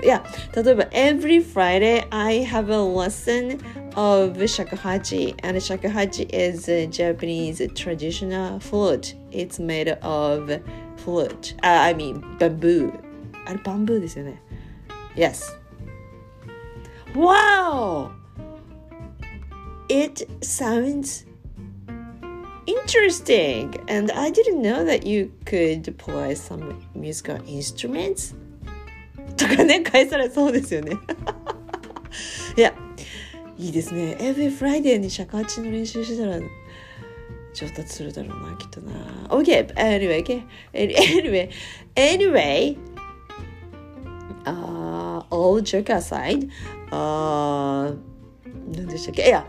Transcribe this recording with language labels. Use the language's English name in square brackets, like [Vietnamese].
[Japanese] いや、例えば、 [English] Every Friday I have a lesson of 尺八 and 尺八 is a Japanese traditional flute. It's made of flute.、I mean, bamboo. [Japanese] あれ、バンブーですよね。 [English] Yes. Wow! It sounds interesting, and I didn't know that you could play some musical instruments. [Japanese] とかね、返されそうですよね。いや、いいですね。 [English] Every Friday [Japanese] に尺八の練習したら上達するだろうな、きっとな。 [English] Okay, anyway, okay. Anyway, all joke aside, [Japanese] 何でしたっけ?